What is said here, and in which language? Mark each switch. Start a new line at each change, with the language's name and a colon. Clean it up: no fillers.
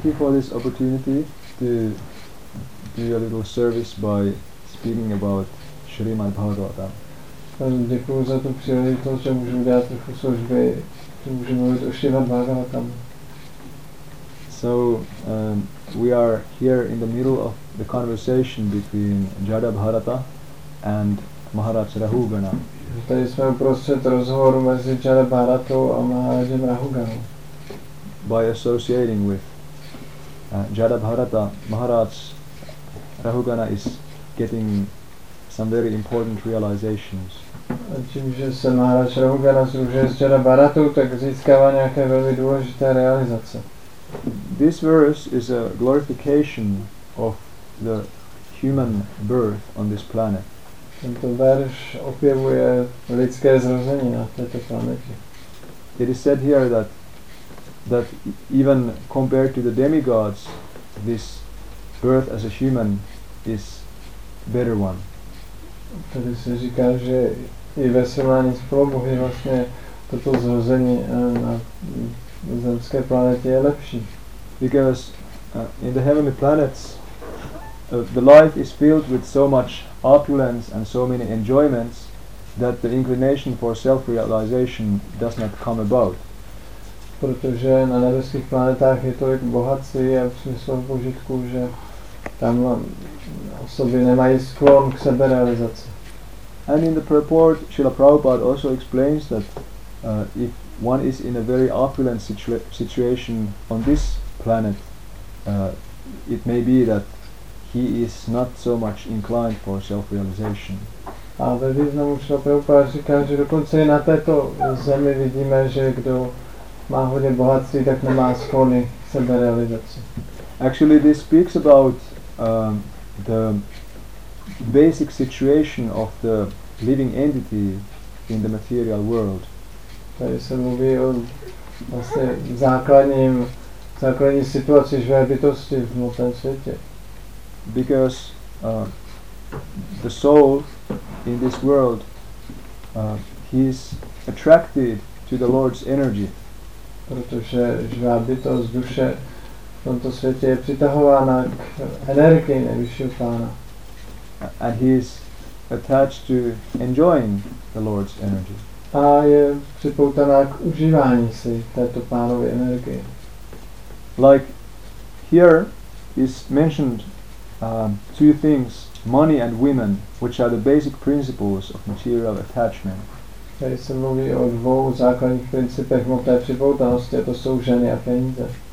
English: Thank you for this opportunity to do a little service by speaking about Srimad Bhagavatam.
Czech: Děkuji za tu příležitost, že můžeme dělat trochu služby, že můžeme mluvit o Srimad Bhagavatam.
English: So we are here in the middle of the conversation between Jada Bharata and Maharaj Rahugana.
Czech: Tady jsme uprostřed rozhovoru mezi Jada Bharatou a Maharajem Rahuganou.
English: By associating with Jada Bharata, Maharaj Rahugana is getting some very important realizations.
Czech: Čím, že se Maharaj Rahugana združuje s Jada Bharatou, tak získává nějaké velmi důležité realizace.
English: This verse is a glorification of the human birth on this planet.
Czech: Tento verš opěvuje lidské zrození na této planetě.
English: It is said here that even compared to the demigods, this birth as a human is better one.
Czech: Tady se říká, že i ve srovnání s polobohy vlastně toto zrození na zemské planetě je lepší.
English: Because in the heavenly planets the life is filled with so much opulence and so many enjoyments that the inclination for self-realization does not come about.
Czech: Protože na nebeských planetách je tolik bohatství a v smyslu požitku, že tam osoby nemají sklon k seberealizaci.
English: And in the purport, Srila Prabhupada also explains that if one is in a very opulent situation on this planet, it may be that he is not so much inclined for self-realization.
Czech: A ve významu Srila Prabhupada říká, že dokonce i na této zemi vidíme, že kdo má hodně bohatství, tak nemá sklony k seberealizaci.
English: Actually, this speaks about the basic situation of the living entity in the material world.
Czech: Tady se mluví o vlastně základní situaci živé bytosti v hmotném světě.
English: Because the soul in this world, he is attracted to the Lord's energy.
Czech: Protože živá bytost, duše, v tomto světě je přitahována k energii nejvyššího pána.
English: And he is attached to enjoying the Lord's energy.
Czech: A je připoutaná k užívání si této pánové energie.
English: Like here is mentioned two things, money and women, which are the basic principles of material attachment.
Czech: Tady se mluví o dvou základních principech hmotné připoutanosti, a to jsou ženy a peníze.